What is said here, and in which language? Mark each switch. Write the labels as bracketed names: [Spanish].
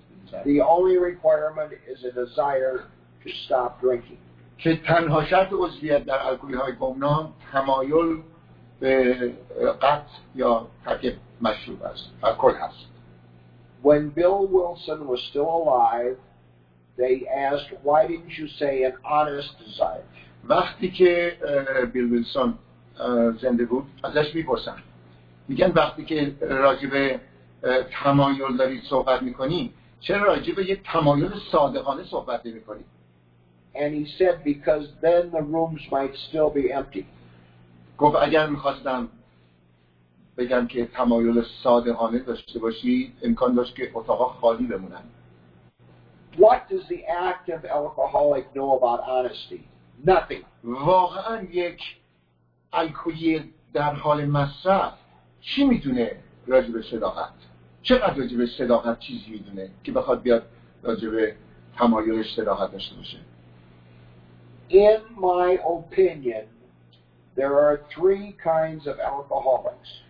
[English] the only requirement is a desire to stop drinking. [Persian] که تنها شرط عضویت در الکلی‌های گمنام تمایل به قطع یا ترک مشروب است. الکل هست. [English] When Bill Wilson was still alive, they asked, "Why didn't you say an honest desire?" [Persian] وقتی که بیل ویلسون زنده بود، ازش می‌پرسند. میگن وقتی که راجب تمایل دارید صحبت میکنید چرا راجب یک تمایل صادقانه صحبت نمیکنید؟ [English] And he said because then the rooms might still be empty. [Persian] گفت اگر میخواستم بگم که تمایل صادقانه داشته باشی امکان داشت که اتاقا خالی بمونن. [English] What does the active alcoholic know about honesty? Nothing. [Persian] واقعا یک الکلی در حال مصرف چی میدونه راجب صداقت؟ چقدر راجب صداقت چیزی میدونه که بخواد بیاد راجب تمایلش صداقت داشته باشه؟ [English] In my opinion, there are three kinds of alcoholics.